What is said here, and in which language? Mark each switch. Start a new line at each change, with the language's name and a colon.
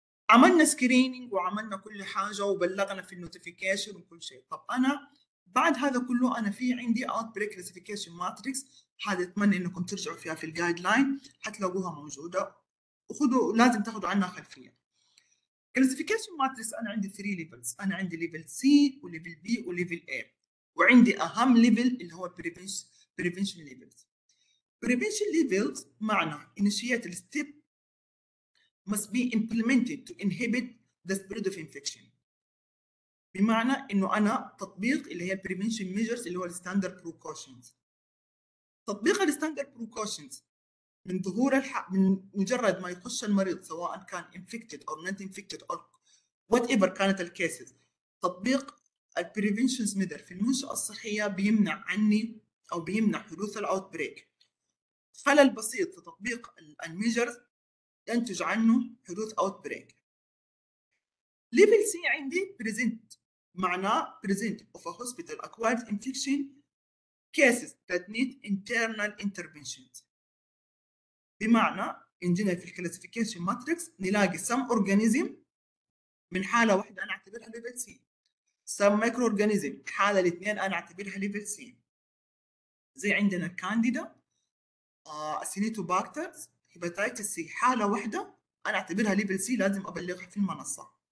Arabic: عملنا سكرينينج وعملنا كل حاجة وبلغنا في النوتيفيكيشن وكل شيء. طب أنا بعد هذا كله أنا في عندي outbreak classification matrix، هذا أتمنى إنكم ترجعوا فيها في الجايدلاين حتلاقوها موجودة، وخذوا لازم تاخذوا عنها خلفية.
English: classification matrix
Arabic: أنا عندي 3
English: levels،
Arabic: أنا عندي
English: level C وleveل B وleveل A،
Arabic: وعندي أهم
English: level
Arabic: اللي هو
English: prevention levels. prevention levels
Arabic: معنى
English: initiate the step must be implemented to inhibit the spread of infection.
Arabic: بمعنى انه انا تطبيق اللي هي prevention measures اللي هو standard precautions. تطبيق standard precautions من ظهور من مجرد ما يخش المريض سواء كان
English: infected or not infected or whatever
Arabic: كانت الكيسز، تطبيق prevention measures في المنشأة الصحية بيمنع عني او بيمنع حدوث الاوتبريك. خلل بسيط في تطبيق الميجرز ينتج عنه حدوث outbreak.
English: Level C
Arabic: عندي
English: present،
Arabic: معناه
English: present of a hospital acquired infection cases that need internal interventions.
Arabic: بمعنى عندنا في classification matrix نلاقي some organism من حالة واحدة أنا أعتبرها level C، some microorganism حالة الاثنين أنا أعتبرها level C. زي عندنا candida، acinetobacter، هيباتيتس سي حالة واحدة أنا أعتبرها ليبل سي لازم أبلغها في المنصة.